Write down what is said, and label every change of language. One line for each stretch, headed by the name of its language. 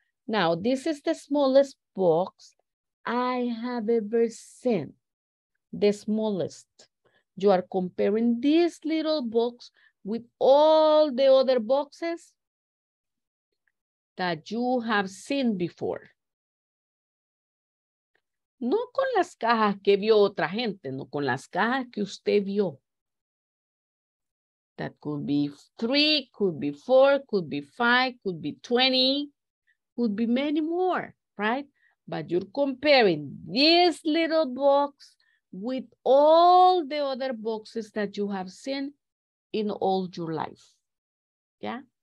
English: Now, this is the smallest box I have ever seen, the smallest. You are comparing this little box with all the other boxes that you have seen before.
Spanish: No con las cajas que vio otra gente, no con las cajas que usted vio.
English: That could be 3, could be 4, could be 5, could be 20, could be many more, right? But you're comparing this little box with all the other boxes that you have seen in all your life, yeah?